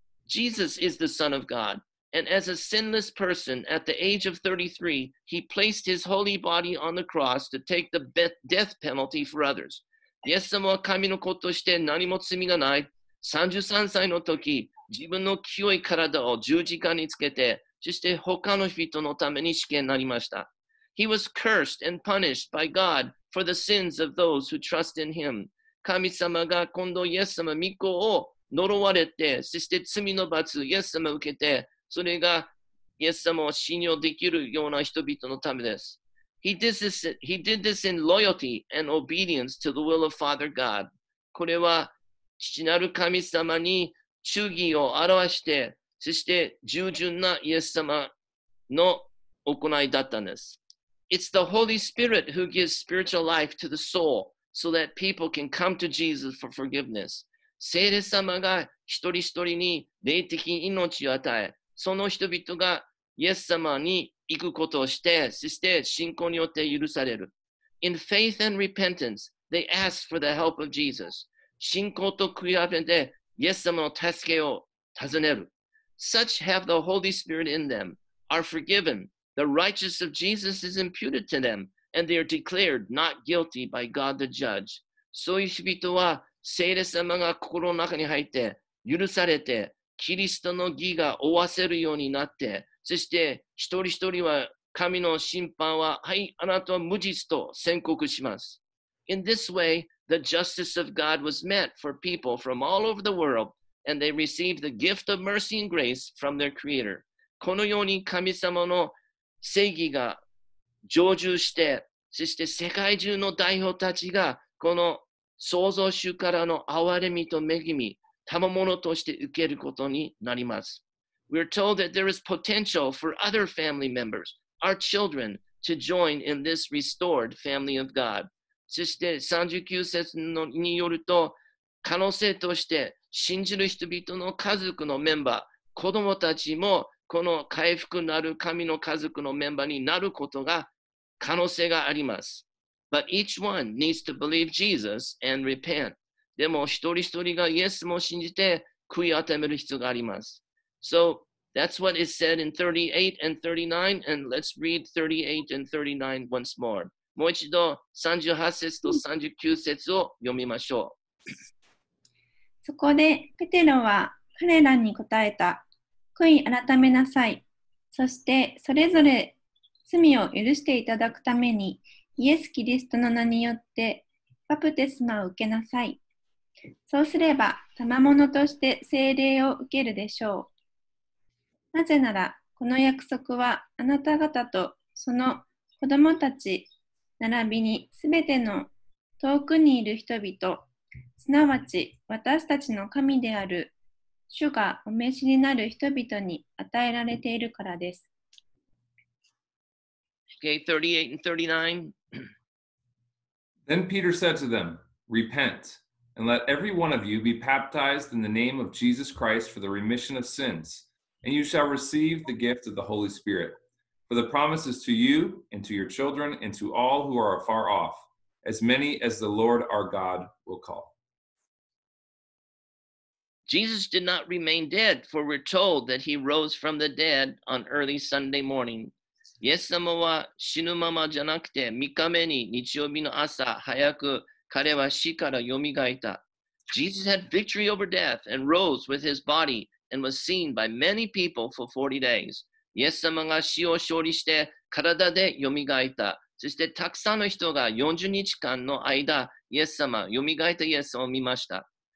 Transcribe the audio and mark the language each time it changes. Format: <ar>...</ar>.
<en>Jesus is the Son of God. And as a sinless person at the age of 33, he placed his holy body on the cross to take the death penalty for others.</en> <ja>イエス様は神の子として何も罪がない。33歳の時、自分の清い体を十字架につけて、そして他の人のために死刑になりました。</ja> <en>He was cursed and punished by God for the sins of those who trust in him.</en> <ja>神様が今度イエス様御子を呪われて、そして罪の罰をイエス様受けて、それがイエス様を信用できるような人々のためです。</ja> <en>He did this in loyalty and obedience to the will of Father God.</en> <ja>これは父なる神様に忠義を表して、そして従順なイエス様の行いだったんです。</ja> <en>It's the Holy Spirit who gives spiritual life to the soul so that people can come to Jesus for forgiveness.</en> <ja>聖霊様が一人一人に霊的命を与え、その人々がイエス様に行くことをして、そして信仰によって許される。</ja> <en>In faith and repentance, they ask for the help of Jesus.</en> <ja>信仰と悔い改めてイエス様の助けを尋ねる。</ja> <en>Such have the Holy Spirit in them, are forgiven. The righteousness of Jesus is imputed to them, and they are declared not guilty by God the judge.</en> <ja>そういう人々は聖霊様が心の中に入って許されて、キリストの義が負わせるようになって、そして一人一人は神の審判は、はい、あなたは無実と宣告します。</ja> <en>In this way, the justice of God was met for people from all over the world, and they received the gift of mercy and grace from their Creator.</en> <ja>このように神様の正義が成就して、そして世界中の代表たちが、この創造主からの憐れみと恵み、賜物として受けることになります。</ja> <en>We're told that there is potential for other family members, our children, to join in this restored family of God.</en> <ja>そして39節によると、可能性として信じる人々の家族のメンバー、子供たちもこの回復なる神の家族のメンバーになることが可能性があります。</ja> <en>But each one needs to believe Jesus and repent.</en> <ja>でも一人一人がイエスも信じて悔い改める必要があります。</ja> <en>So that's what is said in 38 and 39, and let's read 38 and 39 once more.</en> <ja>もう一度38節と39節を読みましょう。そこでペテロは彼らに答えた。悔い改めなさい。そしてそれぞれ罪を許していただくためにイエス・キリストの名によってバプテスマを受けなさい。そうすれば賜物として聖霊を受けるでしょう。なぜならこの約束はあなた方とその子供たち並びにすべての遠くにいる人々、すなわち私たちの神である主がお召しになる人々に与えられているからです。</ja> <en>Okay, 38 and 39. Then Peter said to them, Repent, and let every one of you be baptized in the name of Jesus Christ for the remission of sins, and you shall receive the gift of the Holy Spirit. For the promise is to you, and to your children, and to all who are afar off, as many as the Lord our God will call. Jesus did not remain dead, for we're told that he rose from the dead on early Sunday morning.</en> <ja>イエス様は死ぬままじゃなくて3日目に日曜日の朝早く彼は死からよみがえった。</ja> <en>Jesus had victory over death and rose with his body and was seen by many people for 40 days.</en> <ja>イエス様が死を勝利して体でよみがえった。そしてたくさんの人が40日間の間イエス様、よみがえったイエス様を見ました。</ja>